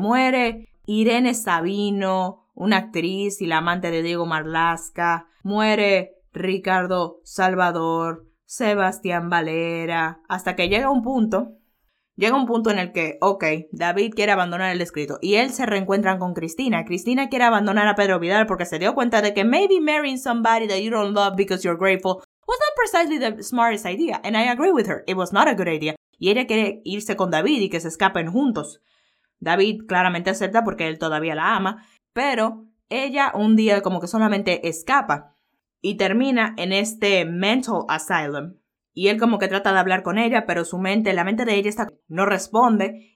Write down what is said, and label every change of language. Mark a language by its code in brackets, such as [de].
[es] Muere Irene Sabino, una actriz y la amante de Diego Marlaska. Muere Ricardo Salvador, Sebastián Valera. Hasta que llega un punto en el que, ok, David quiere abandonar el escrito. Y él se reencuentra con Cristina. Cristina quiere abandonar a Pedro Vidal porque se dio cuenta de que [en] maybe marrying somebody that you don't love because you're grateful was not precisely the smartest idea. And I agree with her, it was not a good idea. [es] Y ella quiere irse con David y que se escapen juntos. David claramente acepta porque él todavía la ama, pero ella un día como que solamente escapa y termina en este [en] mental asylum. [es] Y él como que trata de hablar con ella, pero su mente, la mente de ella está, no responde.